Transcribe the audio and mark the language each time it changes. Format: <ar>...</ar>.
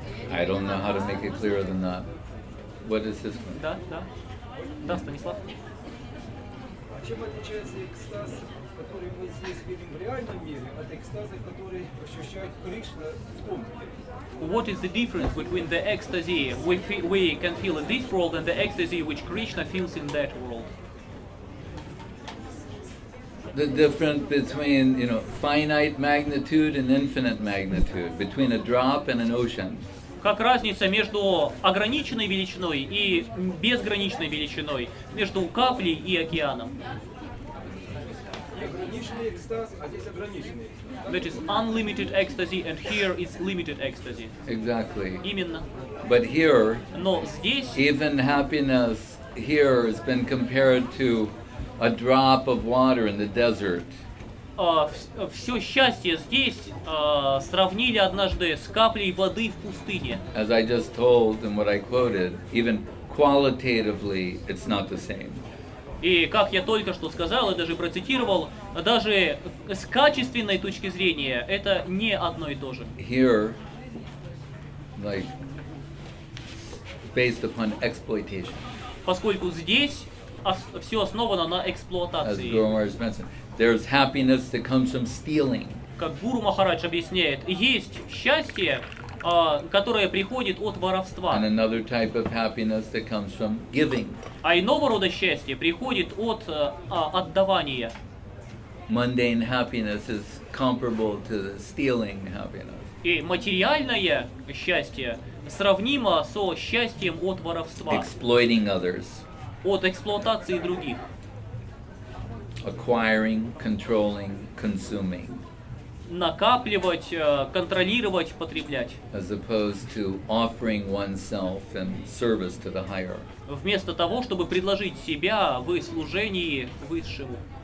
<en>I don't know how to make it clearer than that. What is this one?</en> <ru>Да, да. Да, Станислав. А чем отличается экстаз, который мы здесь видим в реальном мире, от экстаза, который ощущает Кришна в комнате?</ru> <en>What is the difference between the ecstasy we can feel in this world and the ecstasy which Krishna feels in that world? The difference between, you know, finite magnitude and infinite magnitude, between a drop and an ocean.</en> <ru>Как разница между ограниченной величиной и безграничной величиной, между каплей и океаном. Ограниченный экстаз, а здесь ограниченный.</ru> <en>That is unlimited ecstasy and here is limited ecstasy. Exactly.</en> <ru>Именно.</ru> <en>But here,</en> <ru>но здесь,</ru> <en>even happiness here has been compared to a drop of water in the desert.</en> <ru>Все счастье здесь сравнили однажды с каплей воды в пустыне.</ru> <en>As I just told and what I quoted, even qualitatively, it's not the same.</en> <ru>И как я только что сказал и даже процитировал, даже с качественной точки зрения это не одно и то же.</ru> <en>Here, like, based upon exploitation.</en> <ru>Поскольку здесь все основано на эксплуатации.</ru> <en>There's happiness that comes from stealing.</en> <ru>Как Гуру Махарадж объясняет, есть счастье, которое приходит от воровства.</ru> <en>And another type of happiness that comes from giving.</en> <ru>А иного рода счастье приходит от отдавания.</ru> <en>Mundane happiness is comparable to the stealing happiness.</en> <ru>И материальное счастье сравнимо со счастьем от воровства.</ru> <en>Exploiting others.</en> <ru>От эксплуатации других.</ru> <en>Acquiring, controlling, consuming.</en> <ru>Накапливать, контролировать, потреблять.</ru> <en>As opposed to offering oneself in service to the higher.</en> <ru>Вместо того, чтобы предложить себя в служении высшему.</ru>